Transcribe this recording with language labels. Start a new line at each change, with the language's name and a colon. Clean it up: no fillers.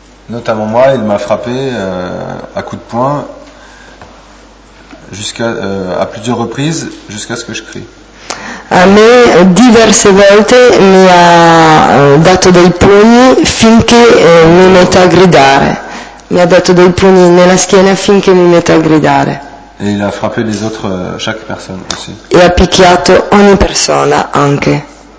French: Notamment moi, il m'a frappé à coups de poing jusqu'à plusieurs reprises jusqu'à ce que je crie.
Italian: A me diverse volte mi ha dato dei pugni finché mi metto a gridare. Mi ha dato dei pugni nella schiena finché mi metto a gridare.
French: Et il a frappé les autres, chaque personne aussi.
Italian: E ha picchiato ogni persona anche.